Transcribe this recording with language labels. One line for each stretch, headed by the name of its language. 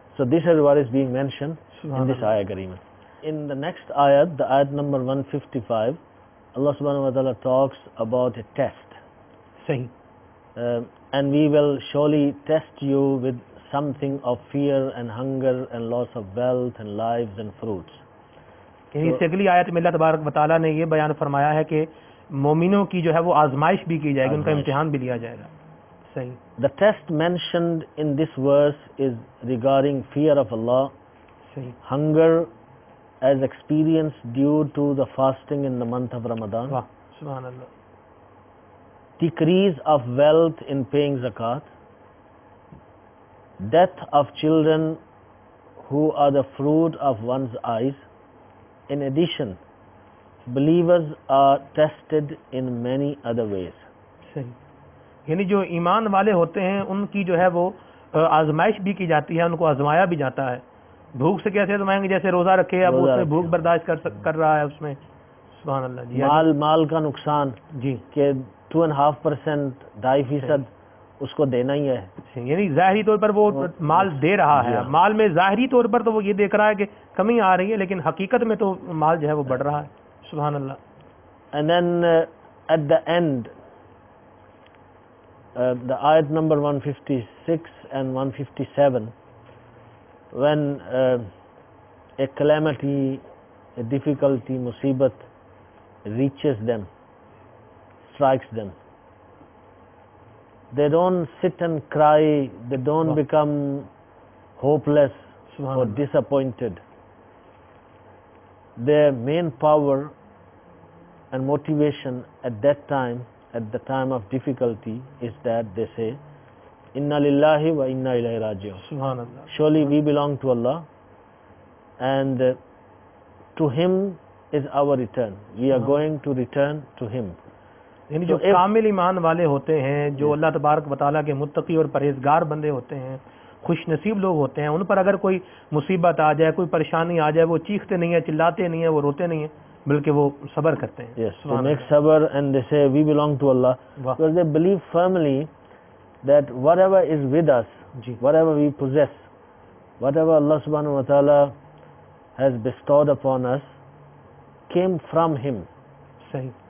English: So this is what is being mentioned in this ayah kareema. In the next ayah, the ayah number 155, Allah subhanahu wa ta'ala talks about a test. And we will surely test you with something of fear and hunger and loss of wealth and lives and fruits.
Urdu: اس سے اگلی آیت میں اللہ تبارک و تعالیٰ نے یہ بیان فرمایا ہے کہ مومنوں کی جو ہے وہ آزمائش بھی کی جائے گی, ان کا امتحان بھی لیا جائے گا. صحیح.
English: The test mentioned in this verse is regarding fear of Allah.
Urdu: صحیح.
English: Hunger as experienced due to the fasting in the month of Ramadan.
Urdu: واہ, سبحان اللہ.
English: Decrease of wealth in paying zakat. Death of children who are the fruit of one's eyes. In addition, believers are tested in many other ways.
Urdu: یعنی جو ایمان والے ہوتے ہیں ان کی جو ہے وہ آزمائش بھی کی جاتی ہے, ان کو آزمایا بھی جاتا ہے. بھوک سے کیسے آزمائیں گے, جیسے روزہ رکھے اب اس میں بھوک برداشت کر رہا ہے اس میں. سبحان اللہ. جی مال کا نقصان جی کہ 2.5% 2.5% اس کو دینا ہی ہے. یعنی ظاہری طور پر وہ مال دے رہا ہے, مال میں ظاہری طور پر تو وہ یہ دیکھ رہا ہے کہ کمی آ رہی ہے, لیکن حقیقت میں تو مال جو ہے وہ بڑھ رہا ہے. سبحان اللہ.
English: And then at the end, the ayat number 156 and 157, when a calamity, a difficulty, musibat reaches them, strikes them, they don't sit and cry, they don't become hopeless or disappointed. Their main power and motivation at that time, at the time of difficulty, is that they say, Inna lillahi wa inna ilayhi raji'un. Subhanallah. Surely we belong to Allah, and to Him is our return. We are going to return to Him.
Urdu: یعنی جو کامل ایمان والے ہوتے ہیں, جو اللہ تبارک و تعالیٰ کے متقی اور پرہیزگار بندے ہوتے ہیں, خوش نصیب لوگ ہوتے ہیں, ان پر اگر کوئی مصیبت آ جائے, کوئی پریشانی آ جائے, وہ چیختے نہیں ہیں, چلاتے نہیں ہیں, وہ روتے نہیں ہیں, بلکہ وہ صبر کرتے ہیں.
English: Yes, they make صبر and they say we belong to Allah. Because they believe firmly that whatever is with us, whatever we possess, whatever Allah subhanahu wa ta'ala has bestowed upon us, came from Him.
Urdu: صحیح.